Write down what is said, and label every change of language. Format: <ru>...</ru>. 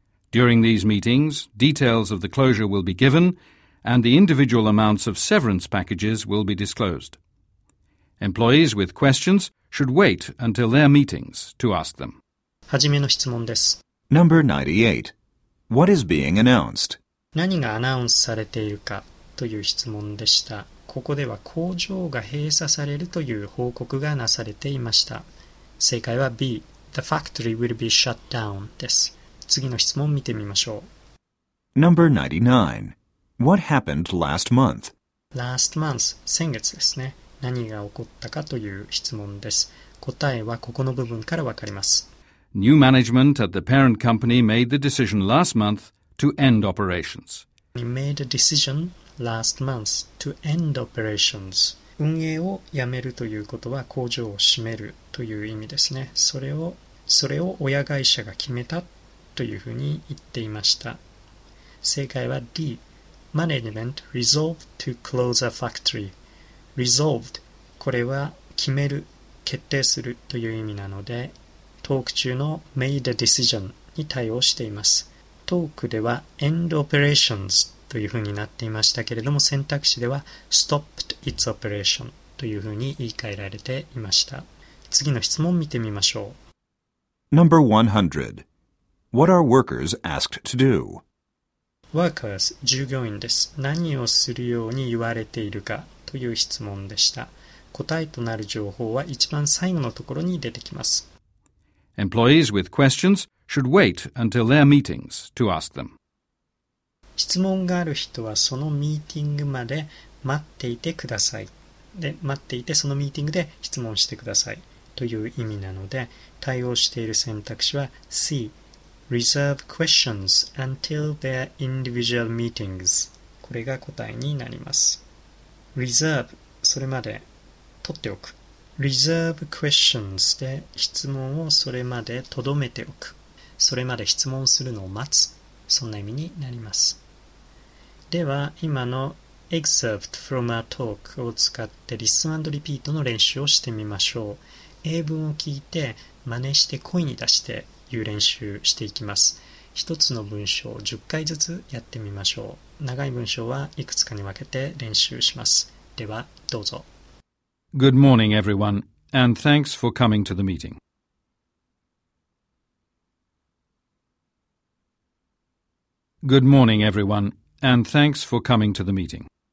<en>During these meetings, details of the closure will be given and the individual amounts of severance packages will be disclosed. Employees with questions should wait until their meetings to ask them.</en> <ja>はじめの質問です。</ja> <en>Number 98. What is being announced?</en> <ja>何がアナウンスされているかという質問でした。ここでは工場が閉鎖されるという報告がなされていました。正解は B.</ja> <en>The factory will be shut down</en> <ja>です。次の質問見てみましょう。</ja> <en>Number 99. What happened last month? Last month.</en> <ja>先月ですね。何が起こったかという質問です。答えはここの部分からわかります。</ja> <en>New management at the parent company made the decision last month to end operations. He made a decision. Last month to end operations.</en> <ja>運営をやめるということは工場を閉めるという意味ですね。それを親会社が決めたというふうに言っていました。正解は D.</ja> <en>Management resolved to close a factory.</en> <ja>Resolved これは決める、決定するという意味なので、トーク中の</ja> <en>made a decision</en> <ja>に対応しています。トークでは</ja> <en>end operations</en> <ja>というふうになっていましたけれども、選択肢では</ja> <en>stopped its operation</en> <ja>というふうに言い換えられていました。次の質問見てみましょう。</ja> <en>Number 100. What are workers asked to do?</en> <ja>Workers 従業員です。何をするように言われているかという質問でした。答えとなる情報は一番最後のところに出てきます。</ja> <en>Employees with questions should wait until their meetings to ask them.</en> <ja>質問がある人はそのミーティングまで待っていてください。で、待っていてそのミーティングで質問してくださいという意味なので、対応している選択肢は C.</ja> <en>Reserve questions until their individual meetings.</en> <ja>これが答えになります。Reserve それまで取っておく。</ja> <en>Reserve questions</en> <ja>で質問をそれまで留めておく。それまで質問するのを待つ。そんな意味になります。では今の</ja> <en>excerpt from a talk</en> <ja>を使ってリスン&リピートの練習をしてみましょう。英文を聞いて真似して声に出して言う練習していきます。一つの文章を10回ずつやってみましょう。長い文章はいくつかに分けて練習します。ではどうぞ。</ja> <en>Good morning, everyone, and thanks for coming to the meeting. Good morning, everyone, and thanks for coming to the meeting.</en>